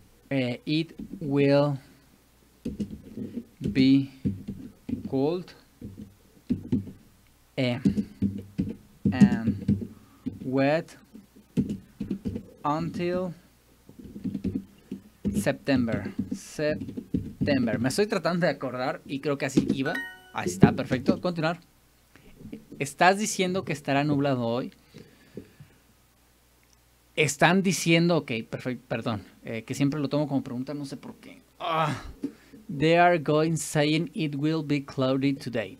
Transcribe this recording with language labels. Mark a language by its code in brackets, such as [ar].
[en] it will be cold and wet until September. September. [es] Me estoy tratando de acordar y creo que así iba. Ahí está, perfecto. Continuar. ¿Estás diciendo que estará nublado hoy? Están diciendo, ok, perfecto, perdón, que siempre lo tomo como pregunta, no sé por qué. Ugh. [en] They are going saying it will be cloudy today.